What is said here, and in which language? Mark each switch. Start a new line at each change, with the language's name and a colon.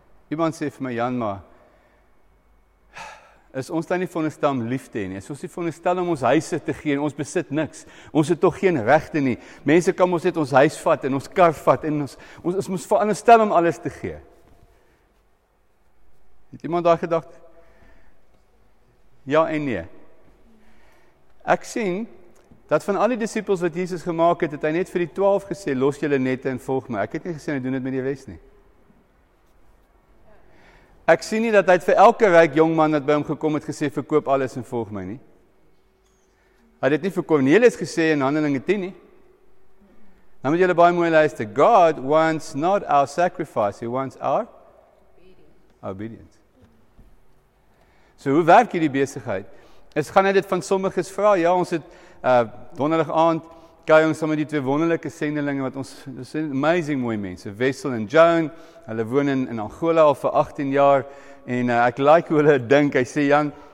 Afrikaans: Iemand sê vir my, Jan, maar, is ons dan nie veronderstel om lief te hê nie? Is ons nie veronderstel om ons huise te gee en ons besit niks? Ons het toch geen regte nie. Mense kan ons net ons huis vat en ons kar vat en ons is ons veronderstel om alles te gee. Het iemand daar gedacht? Ja en nee. Ek sien, dat van al die disciples wat Jesus gemaakt het, het hy net vir die 12 gesê, los julle nette en volg my. Ek het nie gesê, hy doen dit met die rest nie. Ek sien nie dat hy het vir elke ryk jongman dat by hom gekom het gesê, verkoop alles en volg my nie. Hy het nie vir Cornelius gesê in Handelinge 10 nie. Dan moet julle baie mooi luister.
English: God wants not our sacrifice, he wants our obedience.
Afrikaans: So hoe werk hierdie besigheid? Is gaan hy dit van sommiges vraag? Ja, ons het donderdag aand, kyk ons saam met die twee wonderlike sendelinge, wat ons, dis amazing mooi mense, Wessel en Joan, hulle woon in Angola al vir 18 jaar, en ek like hoe hulle dink, hy sê, Jan,